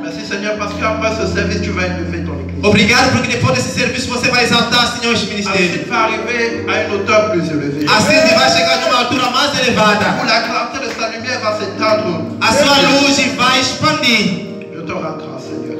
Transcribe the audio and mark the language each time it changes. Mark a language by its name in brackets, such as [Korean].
[French] Merci, Seigneur, parce que après ce service tu vas élever ton église. [Portuguese] Obrigado porque depois desse serviço você vai exaltar, Senhor, este ministério. Assim vai [French] arriver à une hauteur plus élevée. [Portuguese] Assim vai chegar numa altura mais elevada. [French] Où la clarté de sa lumière va s'étendre. [Portuguese] A sua luz vai expandir. [French] Je te rends grâce, Seigneur.